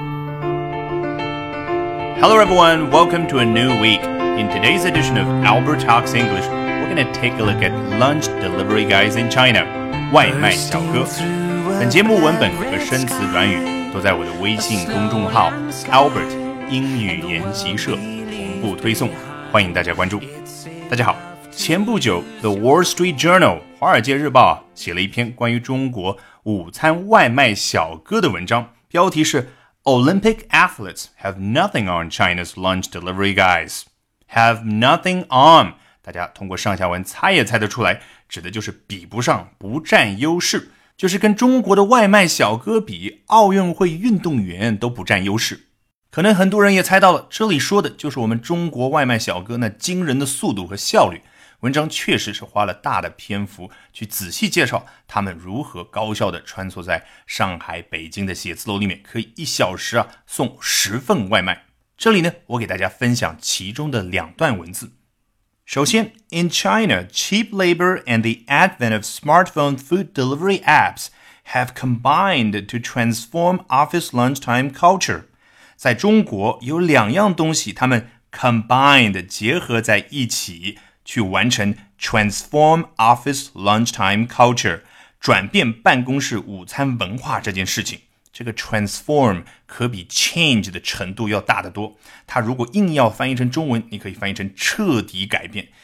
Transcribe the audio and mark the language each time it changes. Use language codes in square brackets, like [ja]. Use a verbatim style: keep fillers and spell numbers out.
[en] Hello everyone, welcome to a new week. In today's edition of Albert Talks English, we're going to take a look at lunch delivery guys in China, [zh] 外卖小哥。本节目文本和生词短语都在我的微信公众号 Albert 英语研习社同步推送，欢迎大家关注。大家好，前不久 The Wall Street Journal 华尔街日报写了一篇关于中国午餐外卖小哥的文章，标题是 [en] Olympic athletes have nothing on China's lunch delivery guys. Have nothing on. [zh] 大家通过上下文猜也猜得出来，指的就是比不上，不占优势，就是跟中国的外卖小哥比，奥运会运动员都不占优势。可能很多人也猜到了，这里说的就是我们中国外卖小哥那惊人的速度和效率。文章确实是花了大的篇幅去仔细介绍他们如何高效地穿梭在上海、北京的写字楼里面，可以一小时啊送十份外卖。这里呢，我给大家分享其中的两段文字。首先 [en] ，In China, cheap labor and the advent of smartphone food delivery apps have combined to transform office lunchtime culture. [zh] 在中国，有两样东西，他们 combined 结合在一起。去完成 [en] transform office lunchtime culture [zh] 转变办公室午餐文化这件事情。这个 transform 可比 change 的程度要大得多，它如果硬要翻译成中文，你可以翻译成彻底改变。